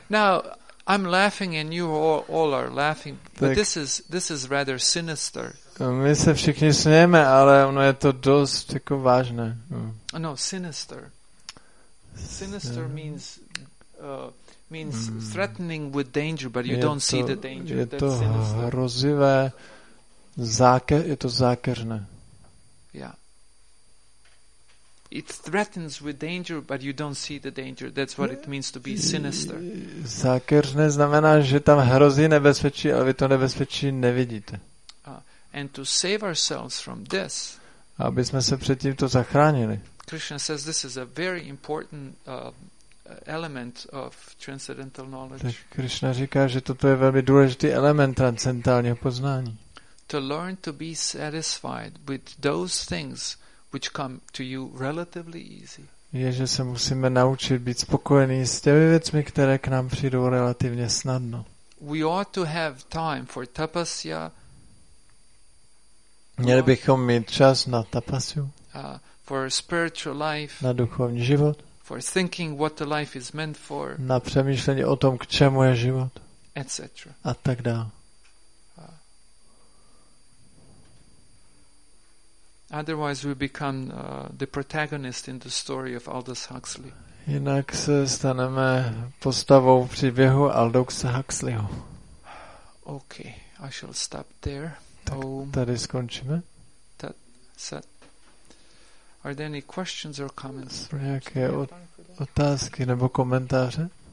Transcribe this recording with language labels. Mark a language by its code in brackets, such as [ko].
[en] Now, I'm laughing and you all are laughing, but this is rather sinister. [cs] My se všichni smějeme, ale ono je to dost jako vážné. [en] No, sinister. Sinister means means threatening with danger, but you don't see the danger. [cs] Je to hrozivé, je to zákeřné. [en] Yeah. It threatens with danger, but you don't see the danger. That's what it means to be sinister. [cs] Zákeřné znamená, že tam hrozí nebezpečí, ale vy to nebezpečí nevidíte. [en] And to save ourselves from this. [cs] Aby jsme se před tímto zachránili. [en] Krishna says this is a very important element of transcendental knowledge. [cs] Tak Krishna říká, že toto je velmi důležitý element transcendentálního poznání. [en] To learn to be satisfied with those things which come to you relatively easy. [cs] Je, že se musíme naučit být spokojení s těmi věcmi, které k nám přijdou relativně snadno. [en] We ought to have time for tapasya. [cs] Měli bychom mít čas na tapasu, [en] for spiritual life, [cs] na duchovní život, [en] for thinking what the life is meant for, [cs] na přemýšlení o tom, k čemu je život, [en] etc. [cs] A tak dále. [en] Otherwise we become the protagonist in the story of Aldous Huxley. [cs] Jinak se staneme postavou příběhu Aldousa Huxleyho. [en] Okay, I shall stop there. [cs] Tak tady skončíme. [en] Are there any questions or comments? [cs] Nějaké otázky nebo komentáře?